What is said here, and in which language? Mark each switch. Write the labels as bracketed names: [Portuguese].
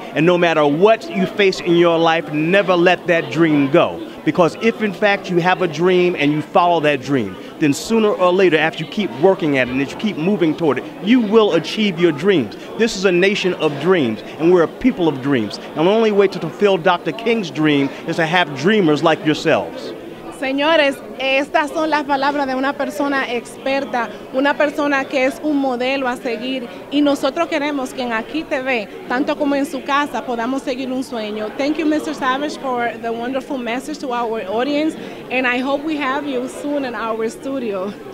[English] And no matter what you face in your life, never let that dream go. Because if in fact you have a dream and you follow that dream, then sooner or later, after you keep working at it and if you keep moving toward it, you will achieve your dreams. This is a nation of dreams, and we're a people of dreams. And the only way to fulfill Dr. King's dream is to have dreamers like yourselves. [Spanish] Señores, estas son las palabras de una persona experta, una persona que es un modelo a seguir, y nosotros queremos que en AquiTV, tanto como en su casa, podamos seguir un sueño. [English] Thank you, Mr. Savage, for the wonderful message to our audience, and I hope we have you soon in our studio.